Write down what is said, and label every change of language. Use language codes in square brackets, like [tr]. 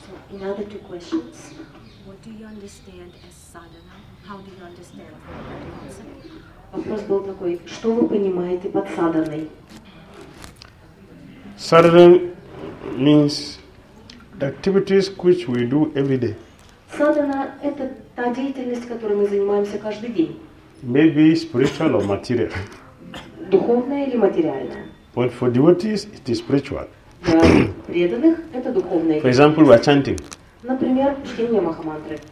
[en] Another two questions. What do you understand as sadhana? How do you understand that concept? [ru] Вопрос был такой: что вы понимаете под садханой? [en] Sadhana means the activities which we do every day. [ru] Sadhana – это та деятельность, которой мы занимаемся каждый день. [en] Maybe spiritual or material. [ru] Духовная или материальная? [en] But for devotees, it is spiritual. [ru] Преданных это духовное. [en] For example, we are chanting. [ru] Например, чтение Махамантры.